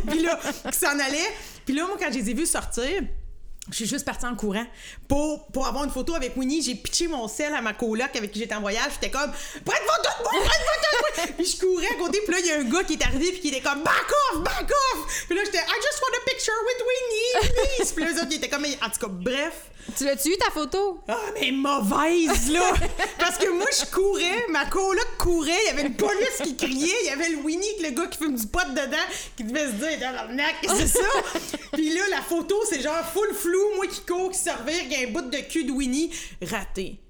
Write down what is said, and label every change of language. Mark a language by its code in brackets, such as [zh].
[fr] Puis là qui s'en allait. Puis là, moi, quand je les ai vus sortir, je suis juste partie en courant pour avoir une photo avec Winnie. J'ai pitché mon sel à ma coloc avec qui j'étais en voyage. J'étais comme, prends une photo de moi, prends une photo de moi. Puis je courais à côté. Puis là, il y a un gars qui est arrivé. Puis qui était comme, [en] back off. [fr] Puis là, j'étais, [en] I just want a picture with Winnie, please. [fr] Puis là, les autres, ils étaient comme, en tout cas, bref. Tu l'as-tu eu, ta photo? Ah, mais mauvaise, là! Parce que moi, je courais, ma coloc courait, il y avait une police qui criait, il y avait le Winnie, le gars qui fume du pot dedans, qui devait se dire, dans l'arnaque, c'est ça! Puis là, la photo, c'est genre full flou, moi qui cours, qui servir, il y a un bout de cul de Winnie, raté.